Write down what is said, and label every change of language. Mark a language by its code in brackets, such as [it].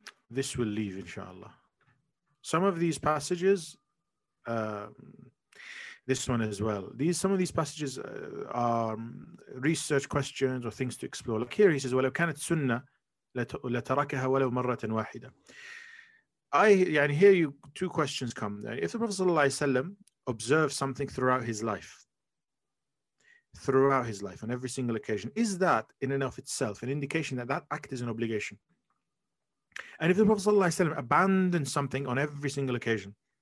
[en] This will leave, inshallah. Some of these passages... this one as well. Some of these passages are research questions or things to explore. Look here, he says, [ar] "ولو كانت سنة لتركها ولو مرة واحدة." [en] Here you two questions come. If the Prophet sallallahu alaihi wasallam observed something throughout his life, on every single occasion, is that in and of itself an indication that that act is an obligation? And if the Prophet sallallahu alaihi wasallam abandoned something on every single occasion?